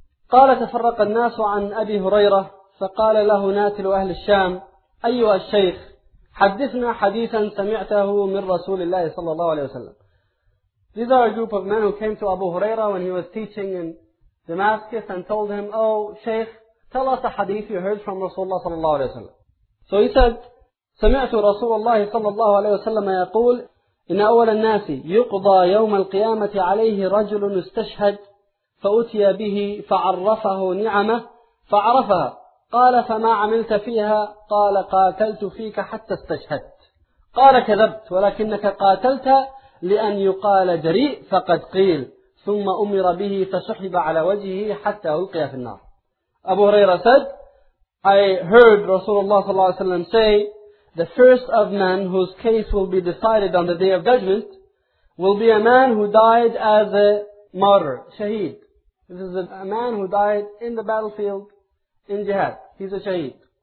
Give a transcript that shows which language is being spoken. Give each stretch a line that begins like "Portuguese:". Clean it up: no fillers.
Arabic: قَالَ تَفَرَّقَ النَّاسُ عَنْ أَبِي هُرَيْرَةِ فَقَالَ لَهُ نَاتِلُ أَهْلِ الشَّامِ أَيُّهَا الشَّيْخِ حَدِّثْنَا حَدِيثًا سَمِعْتَهُ مِنْ رَسُولِ اللَّهِ صَلَّى اللَّهُ عَلَيْهِ وَسَلَّمَ.
English: These are a group of men who came to Abu Huraira when he was teaching in Damascus and told him, "Oh, Shaykh, tell us a hadith you heard from Rasulullah
Arabic: صلى الله عليه وسلم."
English: So he said,
Arabic: "سمعت رسول الله صلى الله عليه وسلم يقول إن أول الناس يقضى يوم القيامة عليه رجل استشهد فأتي به فعرفه نعمة فعرفها قال فما عملت فيها قال قاتلت فيك حتى استشهدت قال كذبت ولكنك قاتلت لأن يقال جريء فقد قيل ثم أمر به فسحب على وجهه حتى ألقي في النار."
English: Abu Huraira said, "I heard Rasulullah sallallahu alayhi wa sallam say, the first of men whose case will be decided on the Day of Judgment will be a man who died as a martyr, shaheed. This is a man who died in the battlefield, in jihad. He's a shaheed.